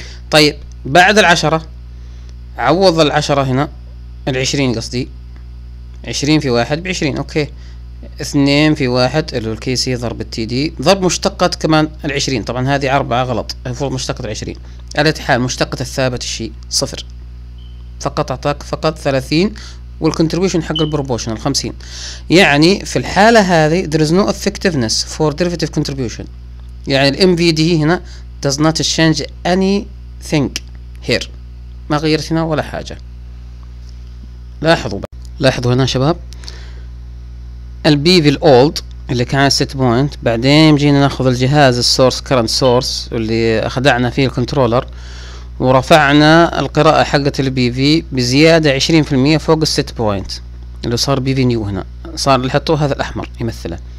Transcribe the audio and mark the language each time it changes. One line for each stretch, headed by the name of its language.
Arabic: طيب بعد العشرة عوض العشرة هنا العشرين، قصدي 20 في 1 ب20، اوكي 2 في 1 اللي هو الكي سي ضرب التي دي ضرب مشتقة كمان العشرين، طبعا هذه 4 غلط، المفروض مشتقة العشرين، الاتحال مشتقة الثابت الشيء صفر، فقط اعطاك فقط 30 والكونتريبيوشن حق البروبوشنال 50. يعني في الحالة هذه
English: there is no effectiveness for derivative contribution،
Arabic: يعني ال MVD هنا
English: does not change anything here،
Arabic: ما غيرت هنا ولا حاجة. لاحظوا هنا شباب ال B في ال old اللي كان 6 point، بعدين جينا ناخذ الجهاز ال source current source اللي خدعنا فيه الكنترولر ورفعنا القراءة حقة ال B V بزيادة 20% فوق ال 6 point اللي صار B V new، هنا صار اللي حطوه هذا الأحمر يمثله.